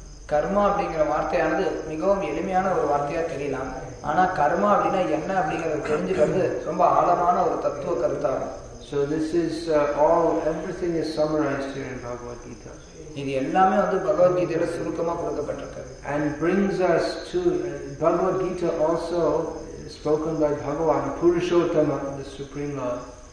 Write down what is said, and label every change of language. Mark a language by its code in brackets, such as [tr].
[ta] கர்மா அப்படிங்கிற வார்த்தையானது மிகவும் எளிமையான ஒரு வார்த்தையா தெரியலாம், ஆனா கர்மா அப்படின்னா என்ன அப்படிங்கறத தெரிஞ்சுக்கிறது ரொம்ப ஆழமான ஒரு தத்துவ கருத்தாகும். [en] So this is all, everything is summarized here in Bhagavad Gita. [ta] இது எல்லாமே வந்து பகவத் கீதையில சுருக்கமா கொடுக்கப்பட்டிருக்கு. [en] And brings us to Bhagavad Gita, also spoken by Bhagavan Purushottama, the Supreme Lord.